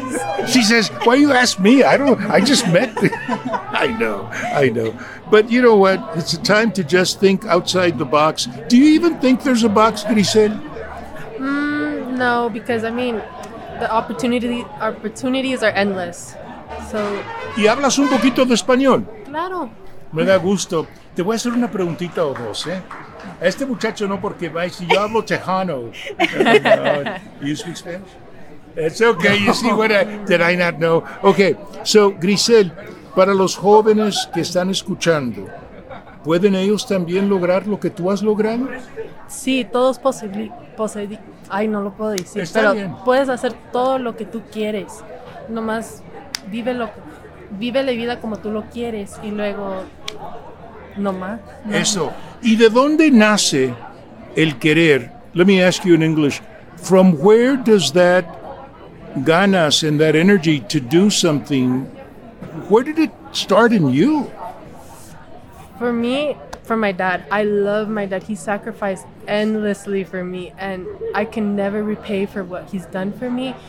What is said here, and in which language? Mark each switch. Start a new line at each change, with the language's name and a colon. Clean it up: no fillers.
English: Huh? She says, why you ask me? I just met. I know. But you know what? It's a time to just think outside the box. Do you even think there's a box, did he say? No, because I mean, the opportunities are endless. So.
Spanish: ¿Y hablas un poquito de español? Claro. Me da gusto. Te voy a hacer una preguntita o dos, ¿eh? Este muchacho no, porque va, si yo hablo Tejano.
English: You speak Spanish? It's okay, you see what did I not know?
Spanish: Okay, so Grisel, para los jóvenes que están escuchando, ¿pueden ellos también lograr lo que tú has logrado? Sí, todo es posible. Ay, no lo puedo decir. Está pero bien. Puedes hacer todo lo que tú quieres. Nomás vive la vida como tú lo quieres y luego nomás. Eso. ¿Y de dónde nace el querer?
English: Let me ask you in English. From where does that ganas and that energy to do something, where did it start in you? For me, for my dad. I love my dad. He sacrificed endlessly for me, and I can never repay for what he's done for me.